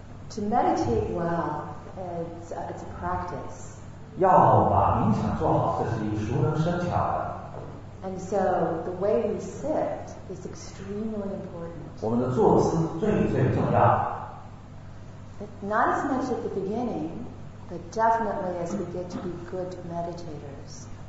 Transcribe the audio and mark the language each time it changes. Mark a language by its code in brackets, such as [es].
[en] To meditate well, it's a practice. [zh] 要把冥想做好，这是熟能生巧的。 [en] And so the way we sit is extremely important. [zh] 我们的坐姿最最重要。 [en] Not as much at the beginning, but definitely as we get to be good meditators.